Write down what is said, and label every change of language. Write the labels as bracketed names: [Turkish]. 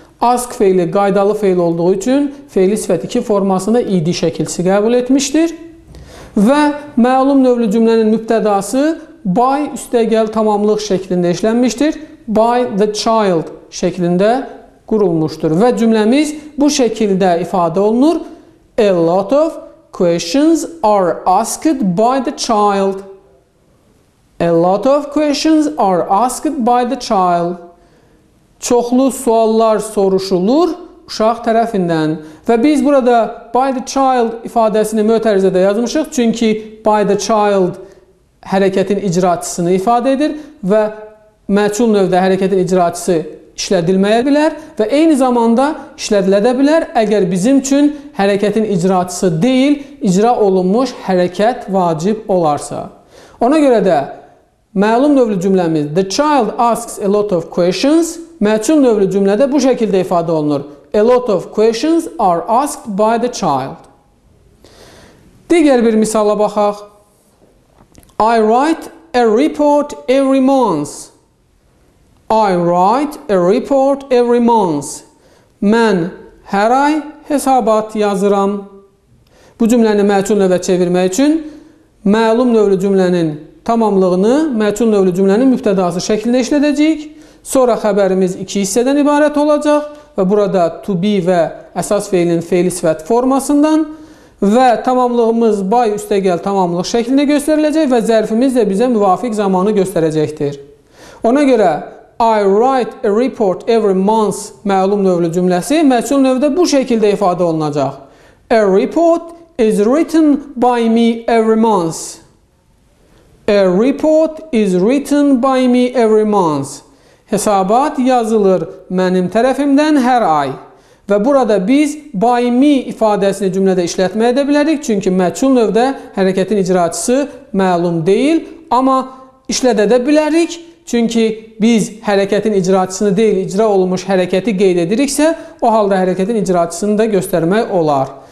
[Azerbaijani] Ask feili qaydalı feil olduğu üçün feili sifət 2 formasında ed şəkilçisi qəbul etmişdir və məlum növlü cümlənin mübtədası by üstəgəl tamamlıq şəklində işlənmişdir. [English] By the child [Azerbaijani] şəklində qurulmuşdur və cümləmiz bu şəkildə ifadə olunur. [English] A lot of questions are asked by the child. A lot of questions are asked by the child. [Azerbaijani] Çoxlu suallar soruşulur uşaq tərəfindən və biz burada [English] by the child [Azerbaijani] ifadəsini mötərizədə yazmışıq, çünki by the child hərəkətin icraçısını ifadə edir və məçhul növdə hərəkətin icraçısı işlədilməyə bilər və eyni zamanda işlədilə də bilər, əgər bizim üçün hərəkətin icraçısı deyil, icra olunmuş hərəkət vacib olarsa. Ona görə də məlum növlü cümləmiz [English] the child asks a lot of questions [Azerbaijani] məçhul növlü cümlədə bu şəkildə ifadə olunur. [English] A lot of questions are asked by the child. [Azerbaijani] Digər bir misala baxaq. [English] I write a report every month. I write a report every month. [Azerbaijani] Mən hər ay hesabat yazıram. Bu cümləni məçhul növə çevirmək üçün məlum növlü cümlənin tamamlığını məçhul növlü cümlənin mübtədası şəklində işlədəcəyik. Sonra xəbərimiz iki hissədən ibarət olacaq və burada to be və əsas feilin feili sifət formasından Və tamamlığımız by üstəgəl tamamlıq şəklində göstəriləcək və zərfimiz də bizə müvafiq zamanı göstərəcəkdir. Ona görə [English] I write a report every month [Azerbaijani] məlum növlü cümləsi məcul növdə bu şəkildə ifadə olunacaq. [English] A report is written by me every month. A report is written by me every month. [Azerbaijani] Hesabat yazılır mənim tərəfimdən hər ay. Və burada biz [English] by me [Azerbaijani] ifadəsini cümlədə işlətməyə də bilərik. Çünki məcul növdə hərəkətin icraçısı məlum deyil. Amma işlədə də bilərik. Çünki biz hərəkətin icraçısını deyil, icra olunmuş hərəkəti qeyd ediriksə, o halda hərəkətin icraçısını da göstərmək olar.